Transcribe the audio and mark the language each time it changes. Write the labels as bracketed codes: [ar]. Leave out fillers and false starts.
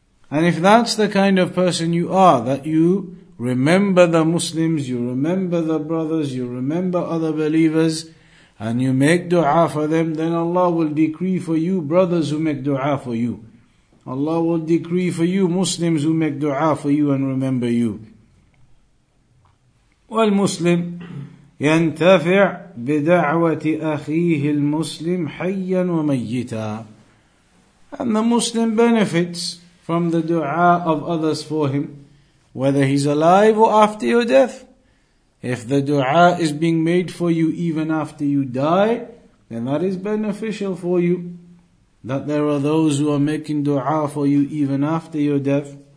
[en] And if that's the kind of person you are, that you remember the Muslims, you remember the brothers, you remember other believers, and you make dua for them, then Allah will decree for you brothers who make dua for you. Allah will decree for you Muslims who make dua for you and remember you. [ar] والمسلم ينتفع بدعوة أخيه المسلم حيا وميتا. [en] And the Muslim benefits from the dua of others for him, whether he's alive or after your death. If the dua is being made for you even after you die, then that is beneficial for you, that there are those who are making dua for you even after your death.